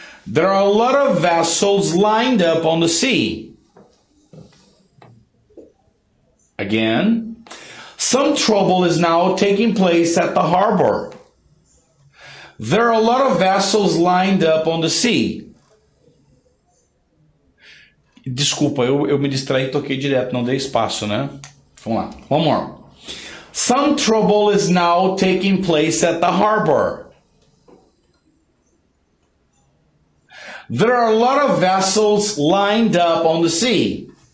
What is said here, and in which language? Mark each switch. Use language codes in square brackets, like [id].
[en] There are a lot of vessels lined up on the sea. Again. Some trouble is now taking place at the harbor. There are a lot of vessels lined up on the sea. [pt] Desculpa, eu me distraí e toquei direto, não dei espaço, né? Vamos lá. [en] One more. Some trouble is now taking place at the harbor. There are a lot of vessels lined up on the sea.